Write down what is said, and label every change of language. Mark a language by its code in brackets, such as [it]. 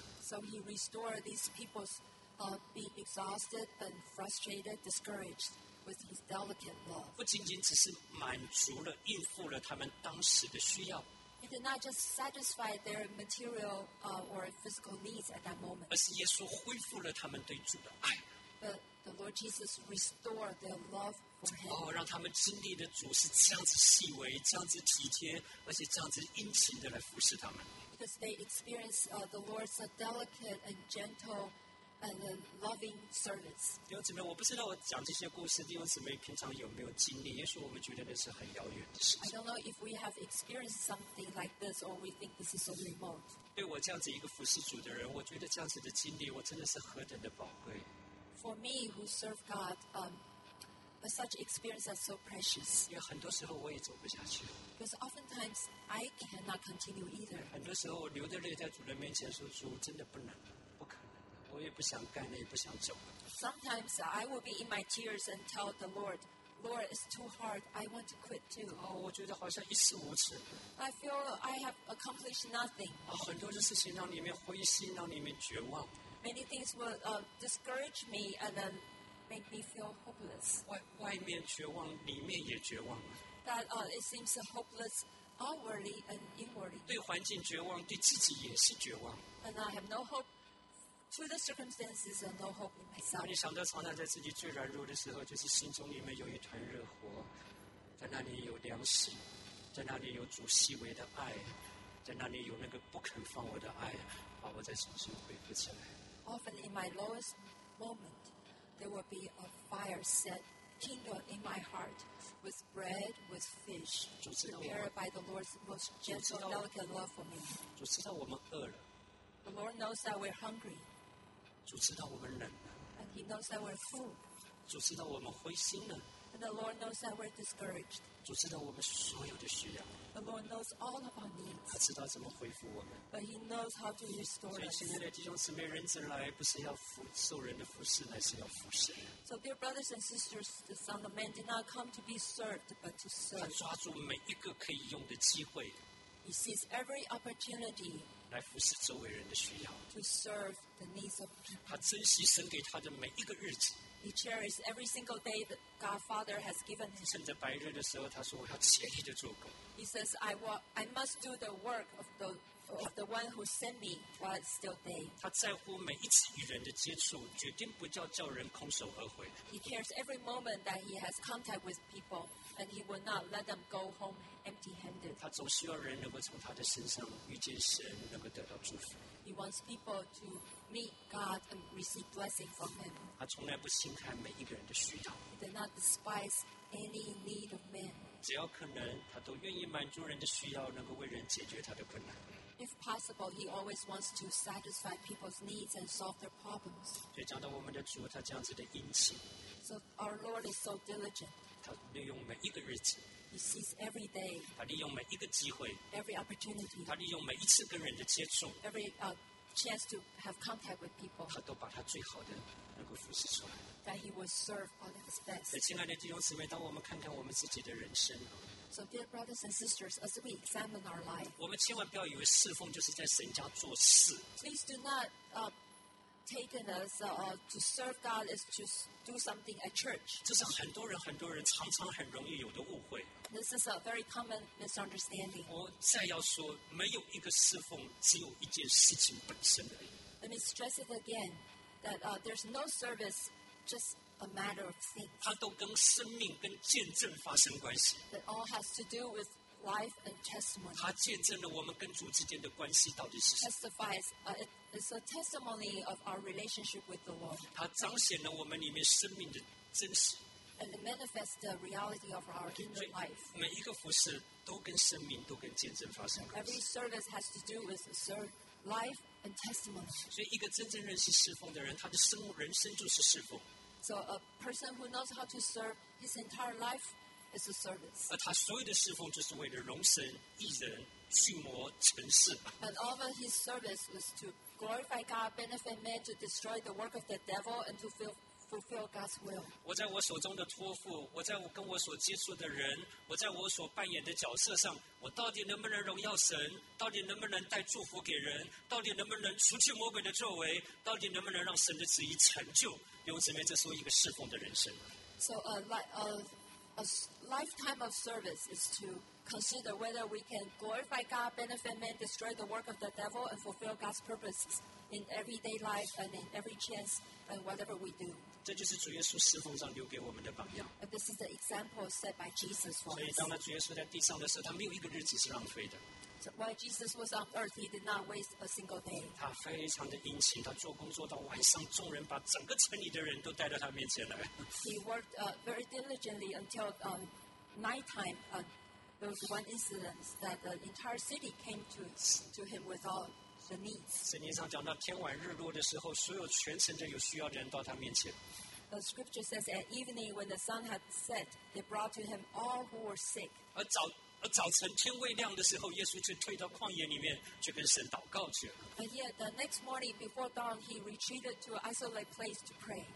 [en] So he restored these people's be exhausted and frustrated, discouraged with his delicate love. [zh] 不仅仅只是满足了、应付了他们当时的需要。 [en] He did not just satisfy their material or physical needs at that moment. [zh] 而是耶稣恢复了他们对主的爱。 [en] But the Lord Jesus restored their love for him. [zh] 哦，让他们经历的主是这样子细微、这样子体贴，而且这样子殷勤的来服侍他们。 [en] Because they experience the Lord's delicate and gentle and loving service. [zh] 弟兄姊妹，我不知道我讲这些故事，弟兄姊妹平常有没有经历？也许我们觉得那是很遥远的事情。 [en] I don't know if we have experienced something like this, or we think this is so remote. [zh] 对我这样子一个服侍主的人，我觉得这样子的经历，我真的是何等的宝贵。 [en] For me, who serve God, but such experiences are so precious. [zh] 因为很多时候我也走不下去。 [en] Because oftentimes I cannot continue either. [zh] 很多时候我流着泪在主的面前说：“主，真的不能，不可能，我也不想干了，也不想走了。” [en] Sometimes I will be in my tears and tell the Lord, "Lord, it's too hard. I want to quit too." [zh] 哦，我觉得好像一事无成。 [en] I feel I have accomplished nothing. [zh] 啊，很多的事情让你们灰心，让你们绝望。 [en] Many things will discourage me and then make me feel hopeless. [zh] 外面绝望，里面也绝望。 [en] That it seems hopeless outwardly and inwardly. [zh] 对环境绝望，对自己也是绝望。 [en] And I have no hope to the circumstances and no hope in myself. [zh] 你想到常常在自己最软弱的时候，就是心中里面有一团热火，在那里有粮食，在那里有主细微的爱，在那里有那个不肯放我的爱，把我在心中恢复起来。 [en] Often in my lowest moment, there will be a fire set kindled in my heart with bread, with fish, prepared by the Lord's most gentle, delicate love for me. [zh] 主知道我们饿了。 [en] The Lord knows that we're hungry. [zh] 主知道我们冷了。 [en] And He knows that we're full. [zh] 主知道我们灰心了。 [en] And the Lord knows that we're discouraged. [zh] 主知道我们所有的需要。 [en] The Lord knows all of our needs. [zh] 他知道怎么恢复我们。 [en] But He knows how to restore us. [zh] 所以现在的弟兄姊妹，人子来不是要服受人的服侍，乃是要服侍人。 [en] So dear brothers and sisters, the Son of Man did not come to be served, but to serve. [zh] 他抓住每一个可以用的机会。 [en] He sees every opportunity. [zh] 来服侍周围人的需要。 [en] To serve the needs of people. [zh] 他珍惜神给他的每一个日子。 [en] He cherishes every single day that God Father has given him. [zh] 趁着白日的时候，他说：“我要竭力的做工。” [en] He says, "I must do the work of the one who sent me while it's still day." [zh] 他在乎每一次与人的接触，决定不叫人空手而回。 [en] He cares every moment that he has contact with people, and he will not let them go home empty-handed. [zh] 他总需要人能够从他的身上遇见神，能够得到祝福。 [en] He wants people to meet God and receive blessing from Him. [zh] 他从来不轻看每一个人的需要。 [en] He does not despise any need of man. [zh] 只要可能，他都愿意满足人的需要，能够为人解决他的困难。 [en] If possible, He always wants to satisfy people's needs and solve their problems. [zh] 所以讲到我们的主，他这样子的殷勤。 [en] So our Lord is so diligent. [zh] 他利用每一个日子。 [en] He sees every day. [zh] 他利用每一个机会。 [en] Every opportunity. [zh] 他利用每一次跟人的接触。 [en] Every chance to have contact with people. [zh] 他都把他最好的能够服侍出来。 [en] That he will serve all of his best. [zh] 所以，亲爱的弟兄姊妹，当我们看看我们自己的人生。 [en] So, dear brothers and sisters, as we examine our life. [zh] 我们千万不要以为侍奉就是在神家做事。 [en] Please do not taken as to serve God is to do something at church. [zh] 这是很多人常常很容易有的误会。 [en] This is a very common misunderstanding. [zh] 我再要说，没有一个侍奉，只有一件事情本身而已。 [en] Let me stress it again that there's no service just a matter of things. [zh] 它都跟生命跟见证发生关系。 [en] It all has to do with life and testimony. [zh] 它见证了我们跟主之间的关系到底是什么。 [en] Testifies It's a testimony of our relationship with the Lord. [zh] 它彰显了我们里面生命的真实。 [en] And it manifests the reality of our inner life. [zh] 每一个服事都跟生命、都跟见证发生关系。 [en] Every service has to do with life and testimony. [zh] 所以，一个真正认识侍奉的人，他的人生就是侍奉。 [en] So a person who knows how to serve his entire life is a service. [zh] 而他所有的侍奉就是为了荣神、益人、驯魔、成事。 [en] And all of his service was to glorify God, benefit men, to destroy the work of the devil, and to fulfill God's will. [zh] 我在我手中的托付，我在跟我所接触的人，我在我所扮演的角色上，我到底能不能荣耀神？到底能不能带祝福给人？到底能不能除去魔鬼的作为？到底能不能让神的旨意成就？弟兄姊妹，这是一个侍奉的人生。 [en] So a lifetime of service is to consider whether we can glorify God, benefit men, destroy the work of the devil, and fulfill God's purposes in everyday life and in every chance and whatever we do. [zh] 这就是主耶稣侍奉上留给我们的榜样。 [en] And this is the example set by Jesus for us. [zh] 所以当主耶稣在地上的时候，他没有一个日子是浪费的。 [en] So while Jesus was on earth, he did not waste a single day. [zh] 他非常的殷勤，他做工作到晚上，众人把整个城里的人都带到他面前来。 [en] He worked very diligently until nighttime. There was one incident that the entire city came to him with all the needs. [zh] 圣经上讲到天晚日落的时候，所有全城的有需要的人到他面前。 [en] The scripture says, at evening when the sun had set, they brought to him all who were sick. [zh] 而早晨天未亮的时候，耶稣就退到旷野里面去跟神祷告去了。 [en] And yet, the next morning before dawn, he retreated to an isolated place to pray.